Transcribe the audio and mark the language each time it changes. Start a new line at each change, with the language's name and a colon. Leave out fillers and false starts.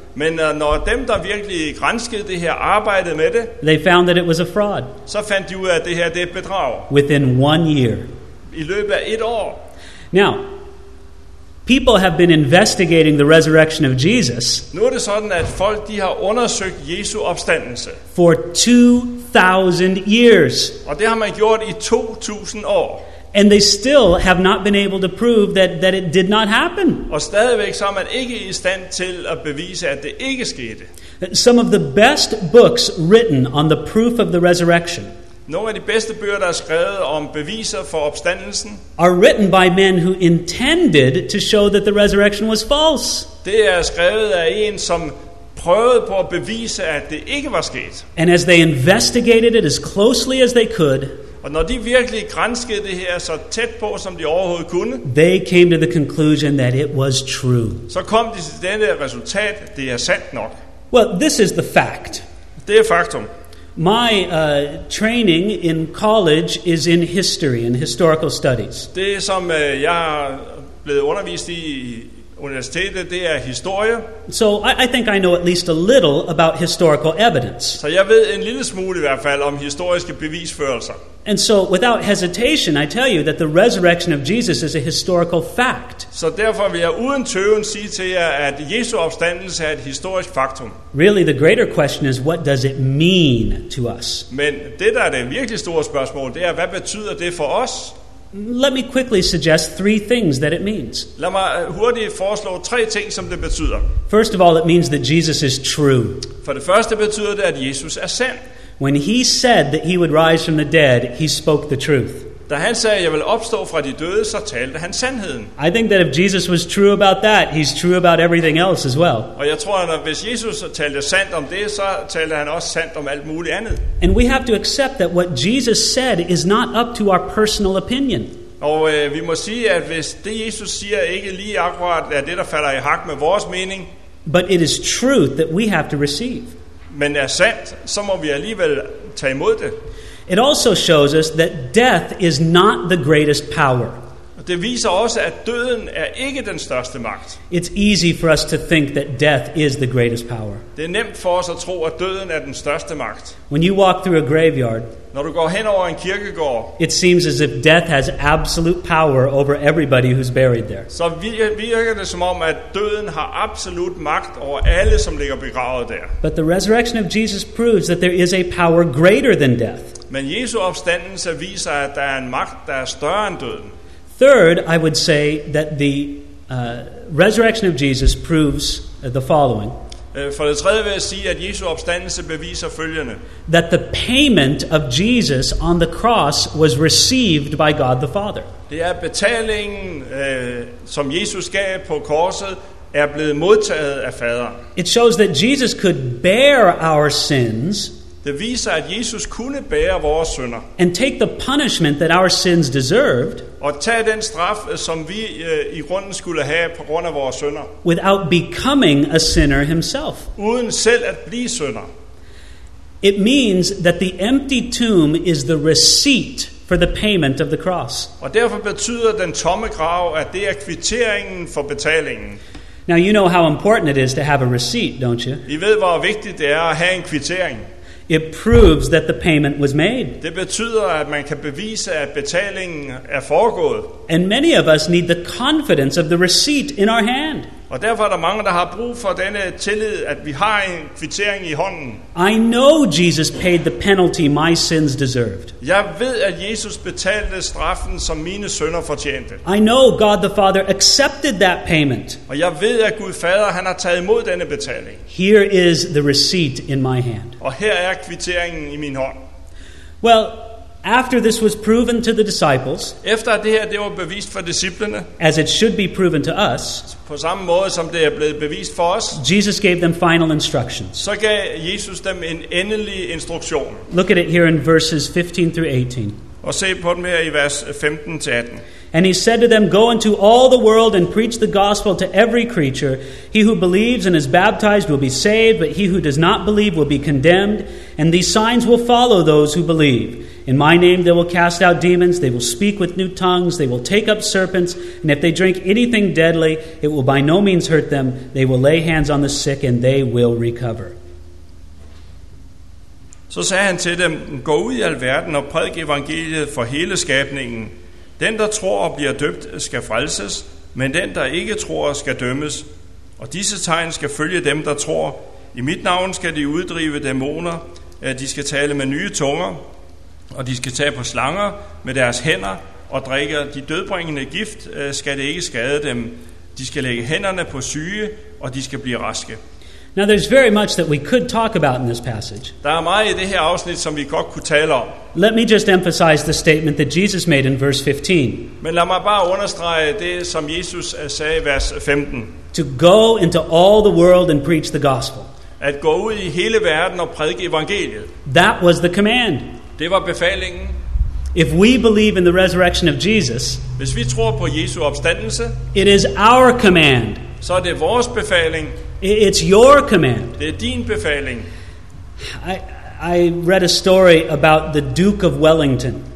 Danish: men når dem, der virkelig granskede det her, arbejdede med det,
English: they found that it was a fraud.
Danish: Så fandt de ud af, at det her det er et bedrag.
English: Within 1 year.
Danish: I løbet af et år.
English: Now, people have been investigating the resurrection of Jesus.
Danish: Nu er det sådan, at folk de har undersøgt Jesu opstandelse.
English: For 2,000 years.
Danish: Og det har man gjort i 2,000 år.
English: And they still have not been able to prove that it did not happen.
Danish: Og stadigvæk så er man ikke i stand til at bevise, at det ikke skete.
English: Some of the best books written on the proof of the resurrection.
Danish: Nogle af de bedste bøger, der er skrevet om beviser for opstandelsen,
English: are written by men who intended to show that the resurrection was false.
Danish: Det er skrevet af en, som prøvede på at bevise, at det ikke var sket.
English: And as they investigated it as closely as they could,
Danish: og når de virkelig granskede det her så tæt på, som de overhovedet kunne,
English: they came to the conclusion that it was true.
Danish: Så kom de til denne resultat, det er sandt nok.
English: Well, this is the fact.
Danish: Det er faktum.
English: My training in college is in history, in historical studies.
Danish: Det som jeg blevet undervist i universitetet, det er historie.
English: So I think I know at least a little about historical evidence.
Danish: Så jeg ved en lille smule i hvert fald om historiske bevisførelser.
English: And so without hesitation I tell you that the resurrection of Jesus is a historical fact.
Danish: Så derfor vil jeg uden tøven sige til jer at Jesu opstandelse er et historisk faktum.
English: Really the greater question is what does it mean to us?
Danish: Men det der er det virkelig store spørgsmål, det er hvad betyder det for os?
English: Let me quickly suggest three things that it means.
Danish: Lad mig hurtigt foreslå tre ting, som det betyder.
English: First of all, it means that Jesus is true.
Danish: For det første betyder det, at Jesus er sand.
English: When he said that he would rise from the dead, he spoke the truth.
Danish: Da han sagde, jeg vil opstå fra de døde, så talte han sandheden.
English: I think that if Jesus was true about that, he's true about everything else as well.
Danish: Og jeg tror, at hvis Jesus talte sandt om det, så talte han også sandt om alt muligt andet.
English: And we have to accept that what Jesus said is not up to our personal opinion.
Danish: Og vi må sige, at hvis det Jesus siger ikke lige akkurat er det, der falder i hak med vores mening.
English: But it is truth that we have to receive.
Danish: Men er sandt, så må vi alligevel tage imod det.
English: It also shows us that death is not the greatest power.
Danish: Det viser også, at døden er ikke den største magt.
English: It's easy for us to think that death is the greatest power.
Danish: Det er nemt for os at tro, at døden er den største magt.
English: When you walk through a graveyard,
Danish: når du går hen over en kirkegård,
English: it seems as if death has absolute power over everybody who's buried there.
Danish: Så virker det som om, at døden har absolut magt over alle, som ligger begravet der.
English: But the resurrection of Jesus proves that there is a power greater than death.
Danish: Men Jesu opstandelse viser, at der er en magt, der er større end døden.
English: Third, I would say that the resurrection of Jesus proves the following.
Danish: For det tredje vil jeg sige, at Jesu opstandelse beviser følgende.
English: That the payment of Jesus on the cross was received by God the Father.
Danish: Det er betalingen, som Jesus gav på korset, er blevet modtaget af Faderen.
English: It shows that Jesus could bear our sins.
Danish: Det viser, at Jesus kunne bære vores synder.
English: And take the punishment that our sins deserved.
Danish: Og tage den straf, som vi i grunden skulle have på grund af vores synder.
English: Without becoming a sinner himself.
Danish: Uden selv at blive synder.
English: It means that the empty tomb is the receipt for the payment of the cross.
Danish: Og derfor betyder den tomme grav, at det er kvitteringen for betalingen.
English: Now you know how important it is to have a receipt, don't you?
Danish: I ved, hvor vigtigt det er at have en kvittering.
English: It proves that the payment was made.
Danish: Det betyder, at man kan bevise, at betalingen er foregået.
English: And many of us need the confidence of the receipt in our hand.
Danish: Og derfor er der mange, der har brug for denne tillid, at vi har en kvittering i hånden.
English: I know Jesus paid the penalty my sins deserved.
Danish: Jeg ved, at Jesus betalte straffen, som mine synder fortjente.
English: I know God the Father accepted that payment.
Danish: Og jeg ved, at Gud Fader, han har taget imod denne betaling.
English: Here is the receipt in my hand.
Danish: Og her er kvitteringen i min hånd.
English: Well, after this was proven to the disciples,
Danish: efter det her, det var bevist for disciplene,
English: as it should be proven to us,
Danish: på samme måde som det er blevet bevist for os,
English: Jesus gave them final instructions.
Danish: Så gav Jesus dem en endelig instruktion.
English: Look at it here in verses 15 through 18.
Danish: Og se på dem her i vers 15 til 18.
English: And he said to them, go into all the world and preach the gospel to every creature. He who believes and is baptized will be saved, but he who does not believe will be condemned. And these signs will follow those who believe. In my name they will cast out demons, they will speak with new tongues, they will take up serpents, and if they drink anything deadly, it will by no means hurt them. They will lay hands on the sick and they will recover.
Danish: Så sagde han til dem, gå ud i alverden og prædik evangeliet for hele skabningen. Den, der tror og bliver døbt, skal frelses, men den, der ikke tror, skal dømmes. Og disse tegn skal følge dem, der tror. I mit navn skal de uddrive dæmoner, de skal tale med nye tunger, og de skal tage på slanger med deres hænder og drikke de dødbringende gift, skal det ikke skade dem. De skal lægge hænderne på syge, og de skal blive raske.
English: Now there's very much that we could talk about in this passage.
Danish: Der er meget i det her afsnit, som vi godt kunne tale om.
English: Let me just emphasize the statement that Jesus made in verse 15.
Danish: Men lad mig bare understrege det, som Jesus sagde i vers 15.
English: To go into all the world and preach the gospel.
Danish: At gå ud i hele verden og prædike evangeliet.
English: That was the command.
Danish: Det var befalingen.
English: If we believe in the resurrection of Jesus,
Danish: hvis vi tror på Jesu opstandelse,
English: it is our command.
Danish: Så er det vores befaling.
English: It's your command.
Danish: Det er din befaling.
English: I read a story about the Duke of Wellington.